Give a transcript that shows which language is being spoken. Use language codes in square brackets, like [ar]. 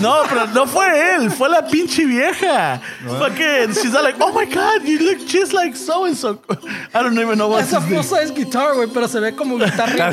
[es] No, pero no fue él, fue la pinche vieja. [en] Fucking, she's like, oh my God, you look just like so and so. I don't even know what to do. [es] Esa es guitar, güey, pero se ve como guitarra.